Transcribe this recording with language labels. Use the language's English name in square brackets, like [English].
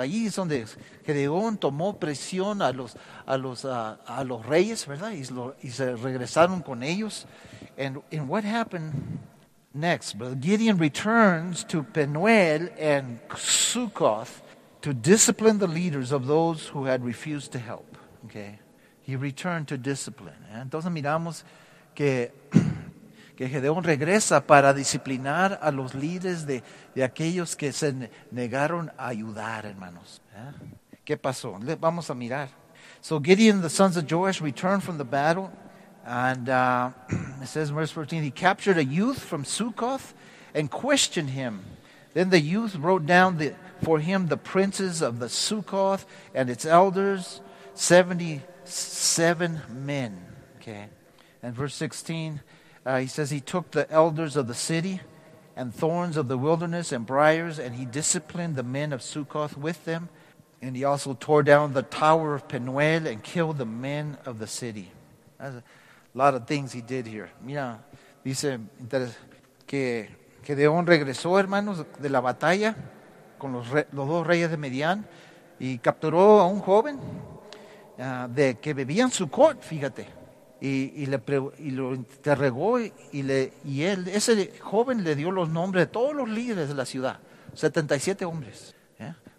[Spanish] Allí es donde Gedeón tomó prisión a los reyes, ¿verdad? Y se regresaron con ellos. [English] And what happened next? Brother Gideon returns to Penuel and Succoth to discipline the leaders of those who had refused to help. Okay, he returned to discipline. [Spanish] Entonces miramos que Gedeón regresa para disciplinar a los líderes de aquellos que se negaron a ayudar, hermanos. ¿Eh? ¿Qué pasó? Vamos a mirar. [English] So Gideon, the sons of Joash, returned from the battle. And it says in verse 14, he captured a youth from Succoth and questioned him. Then the youth wrote down for him the princes of the Succoth and its elders, 77 men. Okay. And verse 16, he says he took the elders of the city and thorns of the wilderness and briars, and he disciplined the men of Succoth with them. And he also tore down the tower of Penuel and killed the men of the city. That's a lot of things he did here. [Spanish] Mira, dice que Gedeón regresó, hermanos, de la batalla con los dos reyes de Midian y capturó a un joven de que vivía en Succoth, fíjate. Y lo interrogó y él, ese joven le dio los nombres de todos los líderes de la ciudad, 77 hombres, ¿eh?